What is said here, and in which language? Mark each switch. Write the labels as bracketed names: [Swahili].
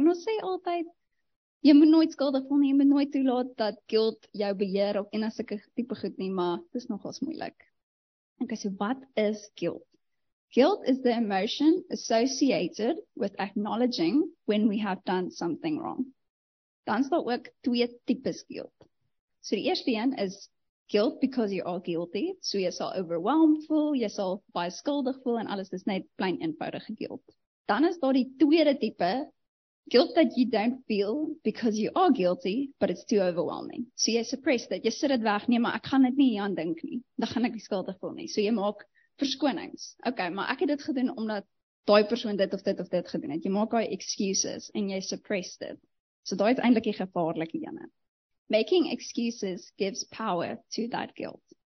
[Afrikaans] En ons sê altyd, jy moet nooit skuldig voel nie, jy moet nooit toelaat dat guilt jou beheer of en as ek type goed nie, maar dit is nogals moeilik. Okay, so wat is guilt? [English] Guilt is the emotion associated with acknowledging when we have done something wrong. [Afrikaans] Dan is daar ook twee types guilt. So die eerste een is guilt [English] because you are guilty. [Afrikaans] So jy sal overwhelmed voel, jy sal baie skuldig voel en alles is net plain eenvoudige guilt. Dan is daar die tweede type [English] guilt that you don't feel because you are guilty, but it's too overwhelming. [Afrikaans] So jy suppress dit, jy sit dit weg, nee, maar ek gaan dit nie aan dink nie. Dan gaan ek nie skuldig voel nie. So jy maak verskonings. Okay, maar ek het dit gedoen omdat daai persoon dit of dit of dit gedoen het. Jy maak daai excuses en jy suppress dit. So daai is eintlik die gevaarlike ene. [English] Making excuses gives power to that guilt.